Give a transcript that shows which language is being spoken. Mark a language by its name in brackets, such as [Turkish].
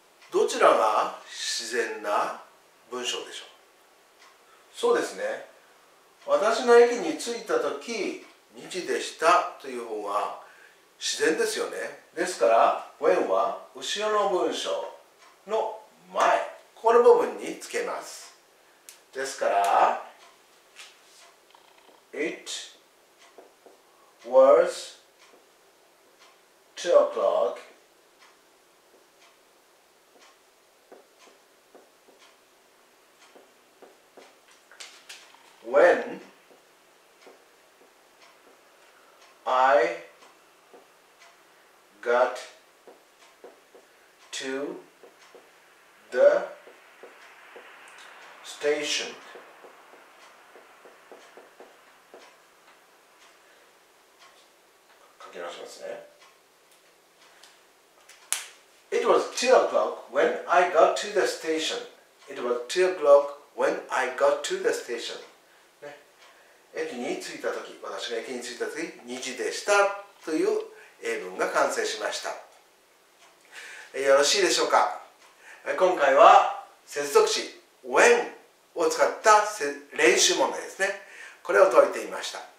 [Japanese] どちらが自然な文章でしょう。そうですね、私の駅に着いた時2時でしたという方が自然ですよね。ですから When は後ろの文章の前、この部分につけます。ですから [English] It was 2 o'clockWhen I got to the station。 [Japanese] 書き直しますね。 [English] It was 2 o'clock when I got to the station。 It was 2 o'clock when I got to the station。 [Japanese] 駅に着いた時、私が駅に着いた時2時でしたという英文が完成しました。よろしいでしょうか。今回は接続詞 When を使った練習問題ですね、これを解いてみました。